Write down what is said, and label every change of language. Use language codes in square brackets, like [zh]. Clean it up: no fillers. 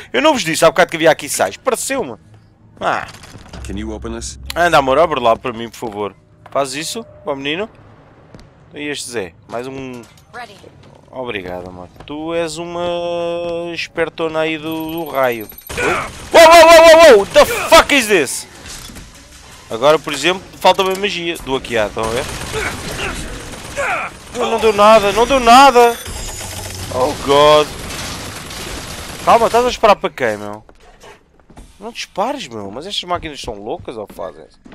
[pt] Eu não vos disse há bocado que havia aqui sais. Pareceu-me. Ah. [en] Can you open this? [pt] Anda, amor, abre lá para mim, por favor. Faz isso, bom menino. E este Zé, mais um... Ready. Obrigado, amor. Tu és uma espertona aí do raio. [en] Uou, uou, uou, uou, uou, the fuck is this? [pt] Agora, por exemplo, falta uma magia do Akiá, estão a ver? Oh, não deu nada, não deu nada. [en] Oh, God. [pt] Calma, estás a esperar para quem, meu? Não dispares, meu, mas estas máquinas são loucas ao fazer.